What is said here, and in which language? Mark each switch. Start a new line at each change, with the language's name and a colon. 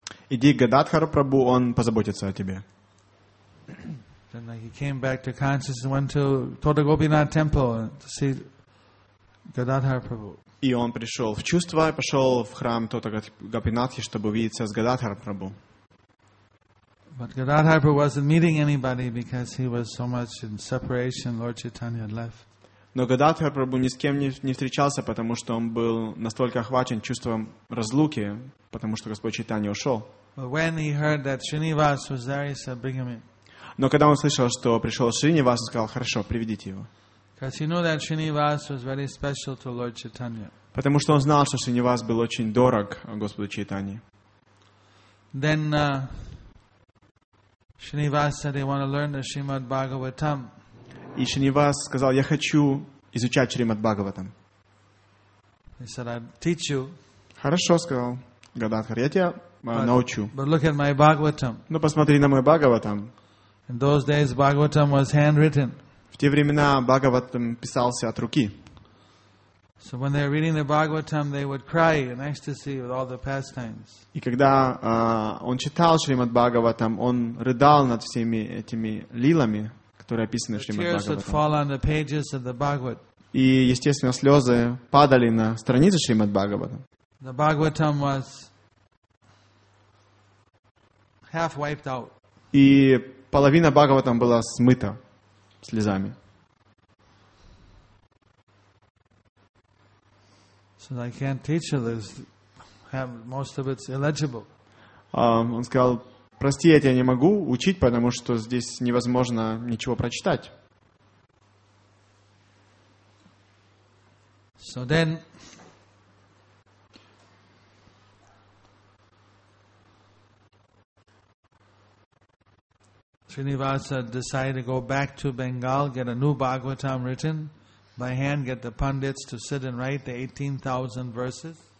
Russian: Иди к Гададхара Прабху, он позаботится о тебе.
English: Then he came back to consciousness and went to Todagopinath temple to see Gadadhara Prabhu.
Russian: И он пришел в чувство и пошел в храм Тотагопинатхи, чтобы увидеться с Гададхара Прабху.
English: But Gadadhara Prabhu wasn't meeting anybody because he was so much in separation. Lord Chaitanya had left.
Russian: Но Гададхара Прабху ни с кем не встречался, потому что он был настолько охвачен чувством разлуки, потому что Господь Чайтанья ушел.
English: But when he heard that Srinivas was there, he said, "Bring him in."
Russian: Но когда он слышал, что пришел Шринивас, он сказал, "Хорошо, приведите его."
English: Because he knew that Srinivas was very special to Lord Chaitanya.
Russian: Потому что он знал, что Шринивас был очень дорог Господу Чайтанье.
English: Then Srinivas said, "I want to learn the Srimad Bhagavatam."
Russian: И Шринивас сказал, "Я хочу изучать Шримад Бхагаватам."
English: He said, "I'll teach you."
Russian: Хорошо, сказал Гададхар, я тебя научу.
English: But look at my Bhagavatam.
Russian: Ну посмотри на мой Бхагаватам.
English: In those days, Bhagavatam was handwritten.
Russian: В те времена Бхагаватам писался от руки.
English: So when they were reading the Bhagavatam, they would cry in ecstasy with all the pastimes.
Russian: И когда он читал Шримад Бхагаватам, он рыдал над всеми этими лилами, которые описаны в Шримад Бхагаватам.
English: Tears would fall on the pages of the Bhagavat.
Russian: И естественно слезы падали на страницы Шримад Бхагаватам.
English: The Bhagavatam was half wiped out.
Russian: И половина Бхагаватам была смыта. Слезами.
English: So I can't teach you this. Most of it's illegible.
Russian: Он сказал, прости, я тебя не могу учить, потому что здесь невозможно ничего прочитать.
English: So then, Srinivasa decided to go back to Bengal, get a new Bhagavatam written by hand, get the pundits to sit and write the 18,000 verses.